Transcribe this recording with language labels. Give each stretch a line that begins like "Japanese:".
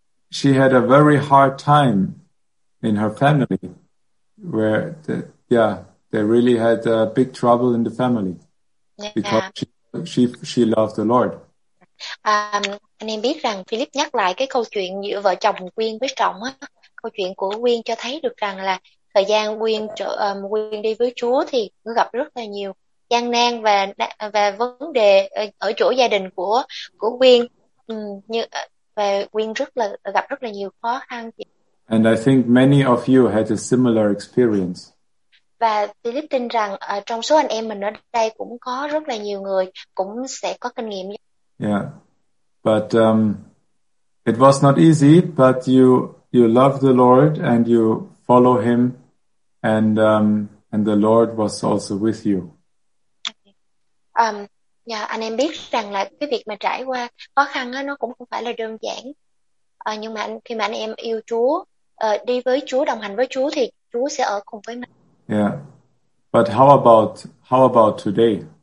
English: She had a very hard time in her family, where they really had big trouble in the family because she loved the Lord.
Vietnamese: Anh em biết rằng Philip nhắc lại cái câu chuyện giữa vợ chồng Quyên với Trọng á, câu chuyện của Quyên cho thấy được rằng là thời gian Quyên đi với Chúa thì nó gặp rất là nhiều gian nan và vấn đề ở chỗ gia đình của Quyên, và Quyên gặp rất là nhiều khó khăn.
English: And I think many of you had a similar experience.
Vietnamese: Và Philip tin rằng trong số anh em mình ở đây cũng có rất là nhiều người cũng sẽ có kinh nghiệm. Yeah.
English: But it was not easy, but you love the Lord and you follow him and the Lord was also with you.
Vietnamese: Anh em biết rằng là cái việc mà trải qua khó khăn á nó cũng không phải là đơn giản. Nhưng mà khi mà anh em yêu Chúa, đi với Chúa, đồng hành với Chúa thì Chúa sẽ ở cùng với mình.
English: Yeah. But how about today?